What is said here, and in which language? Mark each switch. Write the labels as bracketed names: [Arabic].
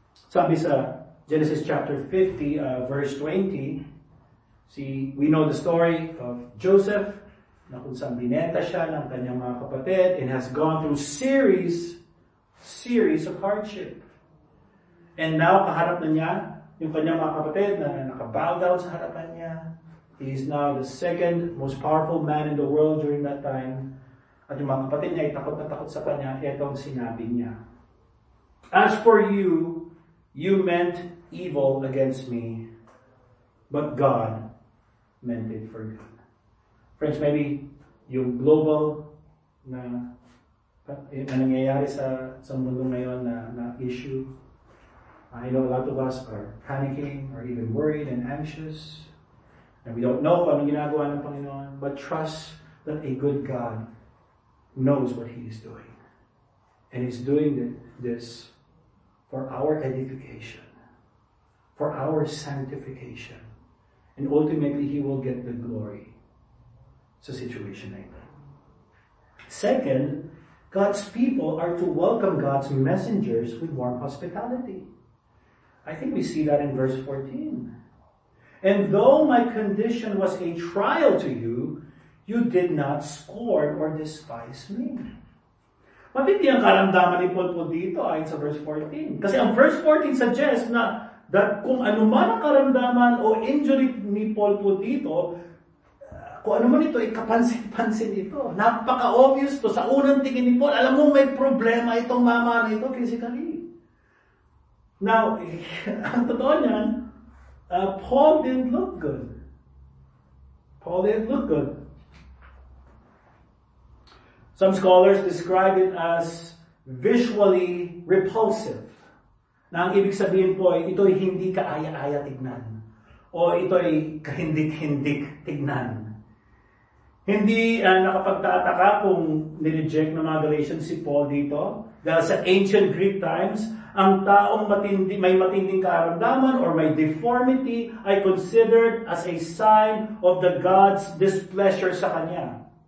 [Filipino] Sabi sa Genesis chapter 50, verse 20, [English] we know the story of Joseph, [Filipino] na kung saan bineta siya ng kanyang mga kapatid, [English] and has gone through series of hardship. [Filipino] And now, kaharap na niya yung kanyang mga kapatid na nakabow down sa harapan niya. [English] He is now the second most powerful man in the world during that time. [Filipino] At yung mga kapatid niya ay takot na takot sa kanya. Ito ang sinabi niya. [English] As for you, you meant evil against me, but God meant it for good. [Filipino] Friends, maybe yung global na nangyayari sa mundo ngayon na issue. [English] I know a lot of us are panicking or even worried and anxious. And we don't know [Filipino] kung ano ginagawa ng Panginoon, [English] but trust that a good God knows what He is doing. And He's doing this for our edification, for our sanctification. And ultimately, He will get the glory [Filipino] sa situation na ito. [English] Second, God's people are to welcome God's messengers with warm hospitality. I think we see that in verse 14. And though my condition was a trial to you, you did not scorn or despise me. [Filipino] Matindi ang karamdaman ni Paul po dito ayon sa verse 14. Kasi ang verse 14 suggests na that kung ano man ang karamdaman o injury ni Paul po dito, kung ano man ito, ikapansin-pansin ito. Napaka-obvious to. Sa unang tingin ni Paul, alam mo may problema itong mama na ito physically. [English] Now, [Filipino] ang totoo niyan, [English] Paul didn't look good. Paul didn't look good. Some scholars describe it as visually repulsive. [Filipino] Na ang ibig sabihin po ay ito'y hindi kaaya-aya tignan. O ito'y kahindik-hindik tignan. Hindi nakapagtataka kung nireject ng mga Galatians si Paul dito. Dahil sa ancient Greek times, ang taong may matinding karamdaman or may deformity ay [English] considered as a sign of the God's displeasure [Filipino] sa kanya.